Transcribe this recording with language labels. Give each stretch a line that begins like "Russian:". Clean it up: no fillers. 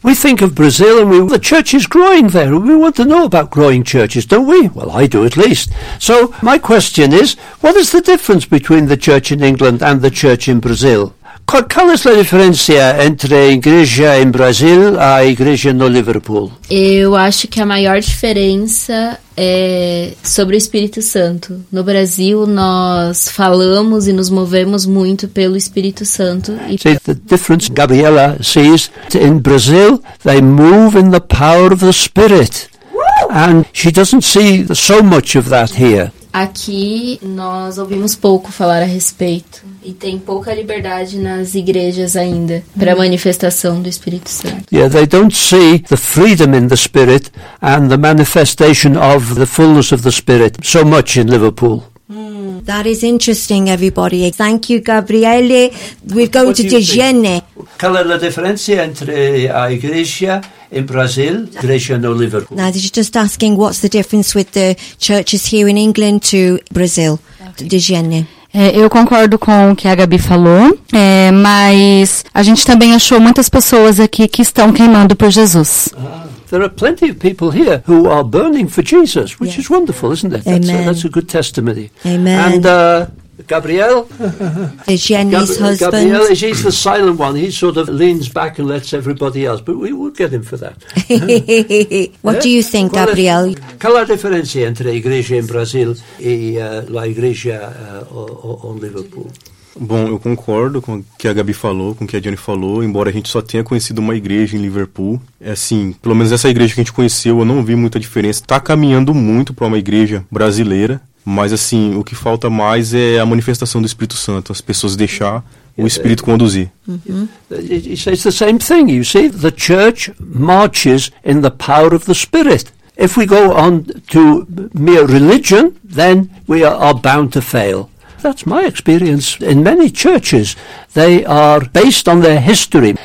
English: We think of Brazil and the church is growing there. We want to know about growing churches, don't we? Well, I do at least. So my question is, what is the difference between the church in England and the church in Brazil?
Portuguese: Qual é a diferença entre a igreja em Brasil e a igreja no Liverpool? Eu acho que a maior diferença é sobre o Espírito Santo. No Brasil, nós falamos e nos movemos muito pelo Espírito Santo.
English: The difference, Gabriela says, in Brazil, they move in the power of the Spirit. And she doesn't see so much of that here.
Portuguese: Aqui nós ouvimos pouco falar a respeito e tem pouca liberdade nas igrejas ainda para manifestação do Espírito Santo.
English: Yeah, they don't see the freedom in the Spirit and the manifestation of the fullness of the Spirit so much in Liverpool. That is interesting, everybody. Thank you, Gabriele. We're going to Dejene.
Portuguese: Qual é a diferença entre a igreja em Brasil, igreja no Liverpool?
English: Now, they're just asking what's the difference with the churches here in England to Brazil, Dejene.
Portuguese: Eu concordo com o que a Gabi falou, mas a gente também achou muitas pessoas aqui que estão queimando por Jesus.
English: There are plenty of people here who are burning for Jesus, which is wonderful, isn't it? Amen. That's a good testimony. Amen. And Gabriel? Is Jenny's husband. Gabriel, he's the silent one. He sort of leans back and lets everybody else, but we would get him for that. What do you think, Gabriel?
Portuguese: Qual é a diferença entre a igreja em Brasil e a igreja em Liverpool? Bom, eu concordo com o que a Gabi falou, com o que a Jenny falou, embora a gente só tenha conhecido uma igreja em Liverpool. É assim, pelo menos essa igreja que a gente conheceu, eu não vi muita diferença. Está caminhando muito para uma igreja brasileira, mas assim, o que falta mais é a manifestação do Espírito Santo, as pessoas deixar o Espírito conduzir.
English: It's the same thing, you see, the church marches in the power of the Spirit. If we go on to mere religion, then we are bound to fail. That's my experience in many churches. They are based on their history.